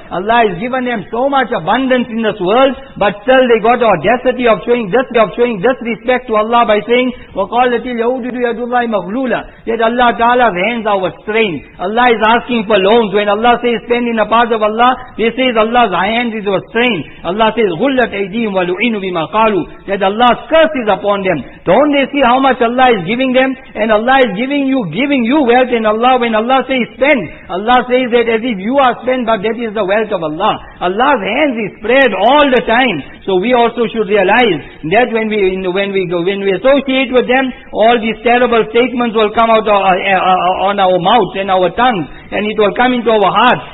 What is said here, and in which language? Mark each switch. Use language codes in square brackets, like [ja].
[en] Allah has given them so much abundance in this world, but still they got the audacity of showing disrespect to Allah by saying, [ar] وَقَالَتِ الْيَهُودُ يَدُ اللَّهِ مَغْلُولَةً. [en] Yet Allah ta'ala's hands are restrained. Allah is asking for loans. When Allah says, spend in the path of Allah, they say Allah's hands is restrained. [ar] Allah says, غُلَّتْ أَيْدِيهِمْ وَلُعِنُوا بِمَا قَالُوا. [en] That Allah's curse is upon them. Don't they see how much Allah is giving them? And Allah is giving you wealth. And Allah, when Allah says spend, Allah says that as if you are spent, but that is the wealth of Allah. Allah's hands is spread all the time. So we also should realize that when we associate with them, all these terrible statements will come out on our mouths and our tongues, and it will come into our hearts.